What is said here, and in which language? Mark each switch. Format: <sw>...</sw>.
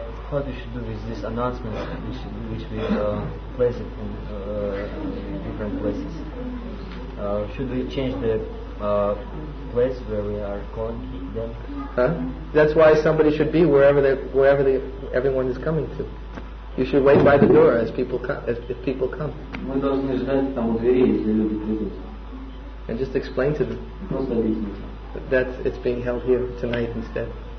<en>what we should do with this announcement, which we place it in different places. Should we change the place where we are calling them? That's why somebody should be wherever everyone is coming to. You should wait by the door as people come.</en> <ru>Мы должны ждать там у двери, если люди придут.</ru> <en>And just explain to them that it's being held here tonight instead.</en>